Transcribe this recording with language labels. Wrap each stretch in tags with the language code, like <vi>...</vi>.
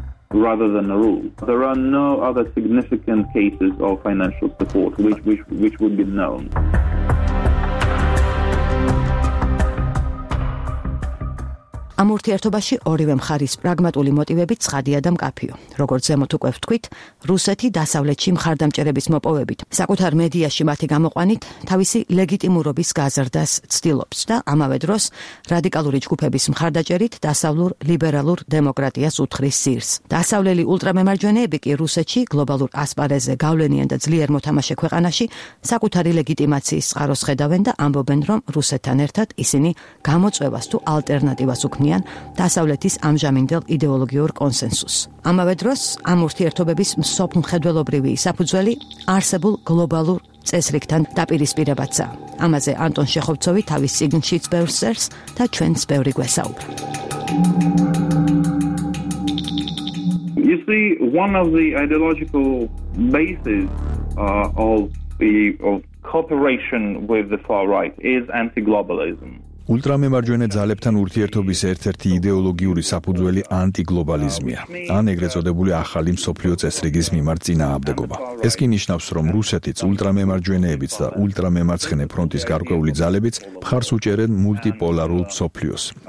<en>Rather than a rule, there are no other significant cases of financial support which would be known.</en> <ka>ამ ურთიერთობაში ორივე მხარის პრაგმატული მოტივები ცხადია და მკაფიო. როგორც ზემოთ უკვე ვთქვით, რუსეთი დასავლეთში მხარდამჭერების მოპოვებით, საკუთარ მედიაში მათი გამოყვანით, თავისი ლეგიტიმურობის გაზრდას ცდილობს და ამავე დროს რადიკალური ჯგუფების მხარდაჭერით დასავლურ ლიბერალურ დემოკრატიას უთხრის სირს. დასავლელი ულტრამემარჯვენეები კი რუსეთში გლობალურ ასპარეზზე გავლენიან და ძლიერ მოთამაშე ქვეყანაში საკუთარი ლეგიტიმაციის წყაროს ხედავენ და ამბობენ, რომ რუსეთთან ერთად ისინი გამოწვევას თუ ალტერნატივას ქმნიან დასავლეთის ამჟამინდელ იდეოლოგიურ კონსენსუს. ამავე დროს ამ ურთიერთობების მსოფლმხედველობრივი საფუძველი არსებულ გლობალურ წესრიგთან დაპირისპირებაცა. ამაზე ანტონ შეხოვცოვი თავის წიგნში წერს და ჩვენს ბევრი გვესაუბრა.</ka> <en>You see, one of the ideological bases of cooperation with the far right is anti-globalism.</en> <ka>ულტრამემარჯვენე ძალებთან ურთიერთობის ერთ-ერთი იდეოლოგიური საფუძველი ანტიგლობალიზმია, ან ეგრეთ წოდებული ახალი მსოფლიო წესრიგის მიმართ წინააღმდეგობა. ეს კი ნიშნავს, რომ რუსეთის ულტრამემარჯვენეებიც და ულტრამემარცხენე ფრონტის გარკვეული ძალებიც მხარს უჭერენ მულტიპოლარულ მსოფლიოს.</ka>